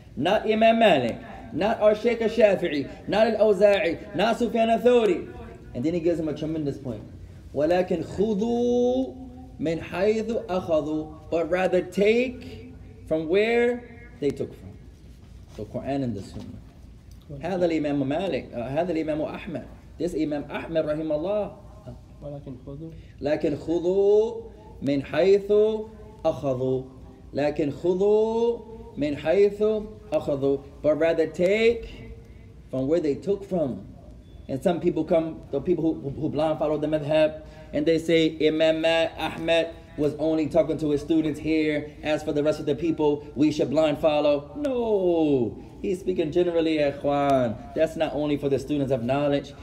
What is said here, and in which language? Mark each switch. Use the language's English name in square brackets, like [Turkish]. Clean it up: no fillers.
[English] Not Imam Malik, not our Shaykh al-Shafi'i, not Al-Oza'i, not Sufyan al-Thawri. And then he gives him a tremendous point. [Arabic] وَلَكِنْ خُذُوا مِنْ حَيْثُ أَخَذُوا [English] But rather take from where they took from. The Quran and the Sunnah. [Arabic] هذا الإمام مالك هذا الإمام أحمد [English] This Imam Ahmad [Arabic] رحمه الله لكن خذوا من حيث أخذوا لكن خذوا من حيث أخذوا [English] But rather take from where they took from. And some people come, the people who blind follow the madhab, and they say Imam Ahmad was only talking to his students here. As for the rest of the people, we should blind follow. No. He's speaking generally, Ikhwan. That's not only for the students of knowledge.